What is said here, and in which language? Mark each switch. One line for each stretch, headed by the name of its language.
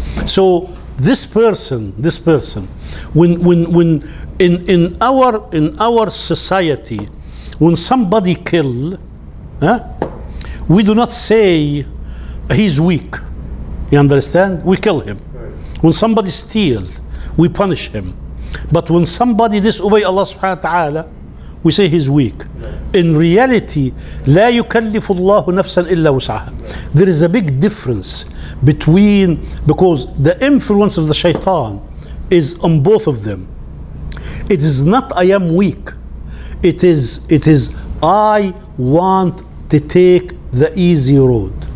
English: So this person, when in our society, when somebody kill, we do not say he's weak. You understand? We kill him. When somebody steal, we punish him. But when somebody disobey Allah subhanahu wa ta'ala, we say he's weak. In reality,
Arabic: لا يكلف الله نفسا إلا وسعها.
English: There is a big difference between, because the influence of the shaitan is on both of them. It is not I am weak. It is I want to take the easy road.